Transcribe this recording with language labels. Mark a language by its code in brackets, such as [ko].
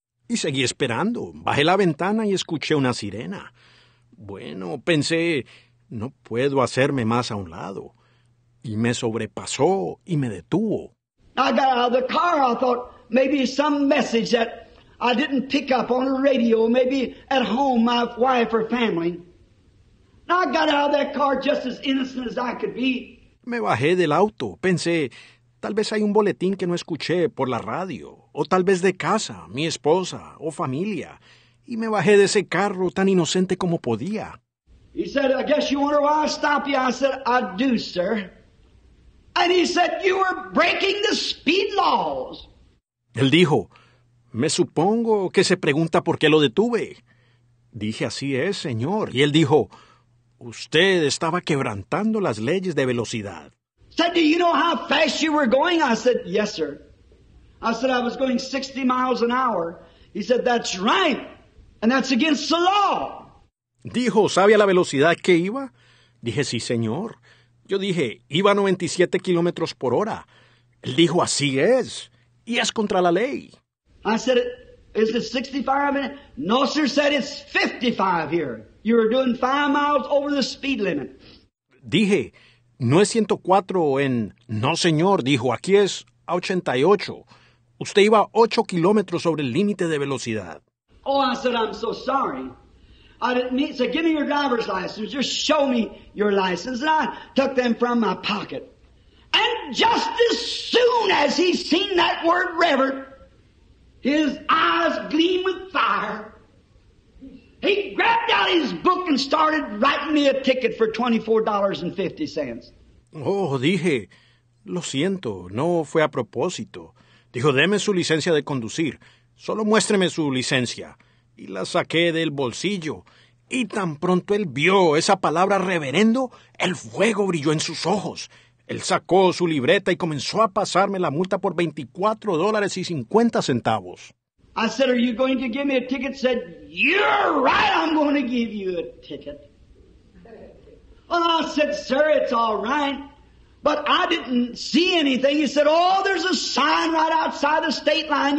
[es] Y seguí esperando. Bajé la ventana y escuché una sirena. Bueno, pensé, no puedo hacerme más a un lado. Y me sobrepasó y me detuvo. [en] I got out of the car. I thought maybe some message that I didn't pick up on the radio, maybe at home, my wife or family. And I got out of that car just as innocent as I could be. [es] Me bajé del auto. Pensé, tal vez hay un boletín que no escuché por la radio, o tal vez de casa, mi esposa o familia, y me bajé de ese carro tan inocente como podía. [en] He said, I guess you wonder why I stop you. I said, I do, sir. And he said, you were breaking the speed laws. [es] Él dijo, me supongo que se pregunta por qué lo detuve. Dije, así es, señor. Y él dijo, usted estaba quebrantando las leyes de velocidad. [en] Said, do you know how fast you were going? I said, yes, sir. I said, I was going 60 miles an hour He said, that's right, and that's against the law. [es] Dijo, ¿sabe a la velocidad que iba? Dije, sí, señor. Yo dije, iba a 97 kilómetros por hora. Él dijo, así es, y es contra la ley. [en] I said, is it 65? No, sir, said it's 55 here. You were doing 5 miles over the speed limit. [es] Dije, no es 104 en... No, señor, dijo, aquí es 88. Usted iba 8 kilómetros sobre el límite de velocidad. [en] Oh, I said, I'm so sorry. I didn't mean, so give me your driver's license. Just show me your license. And I took them from my pocket. And just as soon as he seen that word reverend, his eyes gleamed with fire. He grabbed out his book and started writing me a ticket for $24.50. [es] Oh, dije, lo siento, no fue a propósito. Dijo, deme su licencia de conducir. Solo muéstreme su licencia. Y la saqué del bolsillo. Y tan pronto él vio esa palabra reverendo, el fuego brilló en sus ojos. Él sacó su libreta y comenzó a pasarme la multa por $24.50. [en] I said, are you going to give me a ticket? Said, you're right, I'm going to give you a ticket. Well, I said, sir, it's all right. But I didn't see anything. He said, oh, there's a sign right outside the state line.